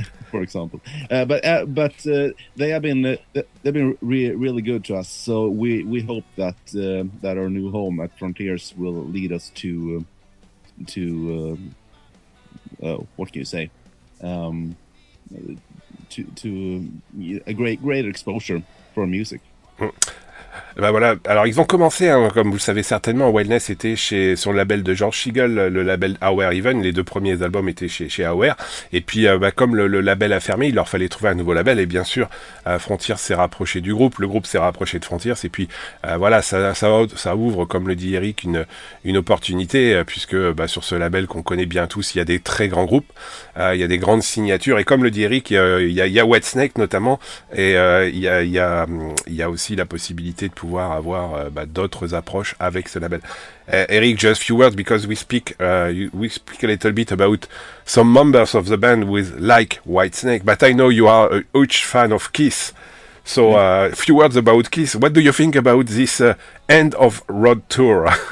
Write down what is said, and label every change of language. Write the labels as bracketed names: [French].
[English] For example, they've been really good to us. So we hope that that our new home at Frontiers will lead us to a greater exposure for music. [French] Ben voilà, alors ils ont commencé, hein, comme vous le savez certainement, Wellness était sur le label de George Siegel, le label Our Even, les deux premiers albums étaient chez Our, et puis comme le label a fermé, il leur fallait trouver un nouveau label, et bien sûr, Frontiers s'est rapproché du groupe, le groupe s'est rapproché de Frontiers, et puis voilà, ça ouvre, comme le dit Eric, une opportunité, puisque sur ce label qu'on connaît bien tous, il y a des très grands groupes, il y a des grandes signatures, et comme le dit Eric, il y a Whitesnake notamment, et il y a aussi la possibilité de pouvoir avoir d'autres approches avec ce label. [English] Eric, just a few words, because we speak a little bit about some members of the band with like Whitesnake, but I know you are a huge fan of Kiss. So a few words about Kiss. What do you think about this end of road tour?